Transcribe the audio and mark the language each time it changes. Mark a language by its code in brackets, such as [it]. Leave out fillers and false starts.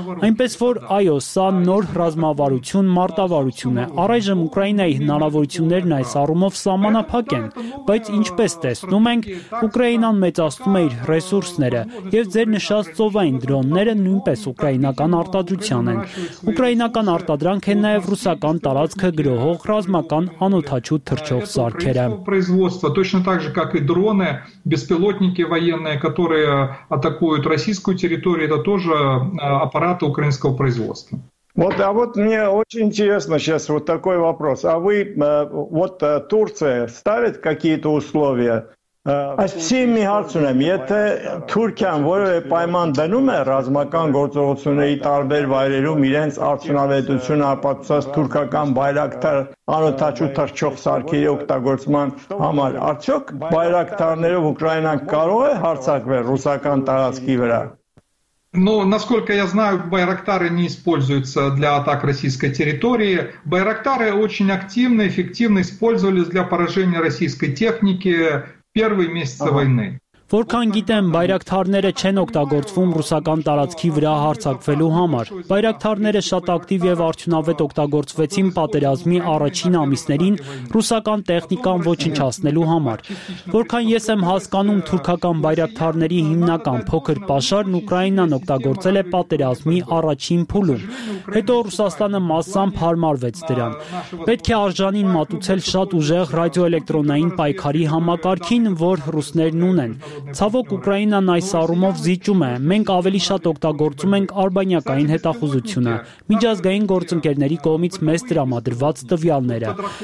[hy] Այնպես որ, այո, սա նոր ռազմավարություն, մարտավարություն է։ Առայժմ Ուկրաինայի հնարավորություններն այս առումով սահմանափակ են, բայց ինչպես տեսնում ենք, Ուկրաինան մեծացնում է իր ռեսուրսները, եւ ձեր նշած ծովային դրոնները նույնպես ուկրաինական արտադրության են։ Ուկրաինական արտադրանք են նաև ռուսական տարածքը գրոհող ռազմական անօթաչու թռչող սարքերը։ [ru] Точно так же, как и дроны, беспилотники военные, которые атакуют российскую территорию, это тоже аппараты украинского производства. Вот, а вот мне очень интересно сейчас вот такой вопрос. А вы вот Турция ставит какие-то условия? [hy] Այսպեսի մի հարց ունեմ, եթե Թուրքիան որևէ պայման դնում է ռազմական գործողությունների տարբեր վայրերում իրենց արդյունավետությունը ապացուցած թուրքական բայրակտար անօթաչու թռչող սարքերի օգտագործման համար, արդյոք բայրակտարներով Ուկրաինան կարող է հարձակվել ռուսական տարածքի վրա? [ru] Но, насколько я знаю, байрактары не используются для атак российской территории. Байрактары очень активно, эффективно использовались для поражения российской техники. Первые месяцы войны. [hy] Որքան գիտեմ, բայրակթարները չեն օգտագործվում ռուսական տարածքի վրա հարձակվելու համար։ Բայրակթարները շատ ակտիվ եւ արդյունավետ օգտագործվեցին պատերազմի առաջին ամիսներին ռուսական տեխնիկան ոչնչացնելու համար։ Որքան ես եմ հասկանում, թուրքական բայրակթարների հիմնական փոքր պաշարն Ուկրաինան օգտագործել է պատերազմի առաջին փուլում։ Հետո Ռուսաստանը massամբ հարմարվեց դրան։ Պետք է արժանին մատուցել շատ ուժեղ ռադիոէլեկտրոնային պայքարի համակարգին, որ ռուսներն ունեն։ Ցավոք Ուկրաինան այս առումով զիջում է։ Մենք ավելի շատ օգտագործում ենք արբանյակային հետախուզությունը, միջազգային գործընկերների կողմից մեզ տրամադրված տվյալները։